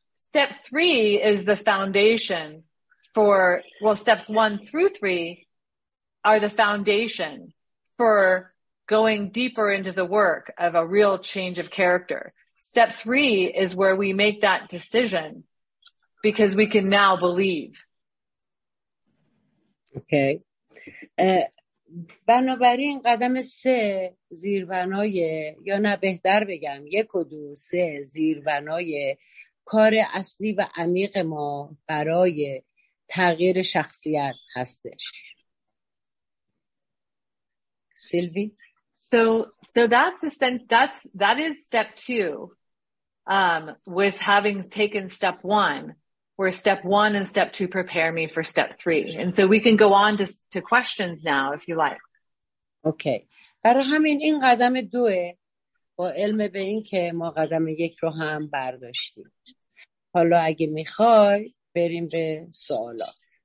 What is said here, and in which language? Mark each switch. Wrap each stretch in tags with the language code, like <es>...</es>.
<en>Step three is the foundation for, well, steps one through three are the foundation for going deeper into the work of a real change of character. Step three is where we make that decision because we can now believe. Okay.</en> <fa>بنابراین قدم سه زیربنای، یا نه بهتر بگم یک و دو سه زیربنای کار اصلی و عمیق ما برای تغییر شخصیت هستش. سیلوی.</fa> <en>So that is step two, with having taken step one, where step one and step two prepare me for step three. And so we can go on to questions now if you like. Okay.</en> <fa>برای همین این قدم دوه با علم به این که ما قدم یک رو هم برداشتیم. حالا اگه میخوای بریم به سوالات.</fa>